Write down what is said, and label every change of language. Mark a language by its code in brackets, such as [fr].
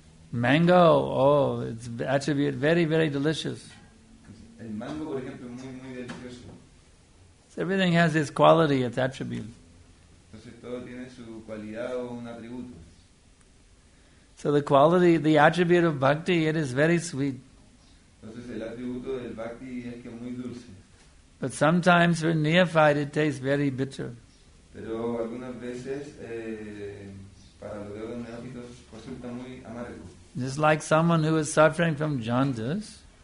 [en] Mango, oh, its attribute, very, very delicious. [es] El mango, por ejemplo, es muy, muy delicioso. [en] Everything has its quality, its attribute. [es] Entonces, todo tiene su cualidad o un atributo. [en] So the quality, the attribute of bhakti, it is very sweet. [es] Entonces, el atributo del bhakti es que es muy dulce. [en] But sometimes for neophyte it tastes very bitter. [es] Pero algunas veces, para los dedos neófitos resulta muy amargo. [en] Just like someone who is suffering from jaundice.